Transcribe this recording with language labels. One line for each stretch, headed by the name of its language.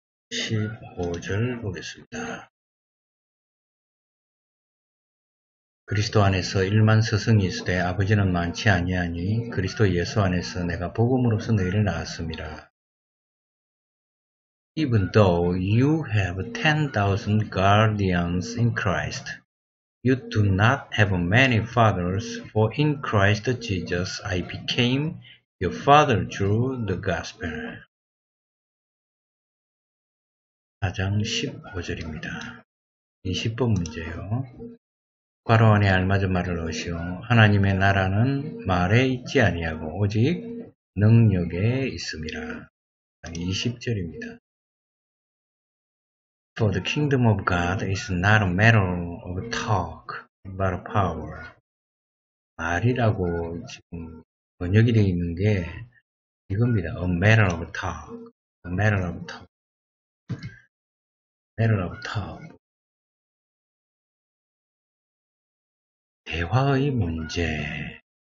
Korean: 15절 보겠습니다. 그리스도 안에서 1만 서성이 있으되 아버지는 많지 아니하니 그리스도 예수 안에서 내가 복음으로서 너희를 낳았습니다.
English: Even though you have 10,000 guardians in Christ, you do not have many fathers, for in Christ Jesus I became your father through the gospel.
Korean: 4장 15절입니다. 20번 문제요. 과로안에 알맞은 말을 넣으시오. 하나님의 나라는 말에 있지 아니하고 오직 능력에 있습니다. 20절입니다.
English: For the kingdom of God is not a matter of talk, but of power.
Korean: 말이라고 지금 번역이 되어 있는 게 이겁니다.
English: A matter of talk. A matter of talk. Matter of talk.
Korean: 대화의 문제.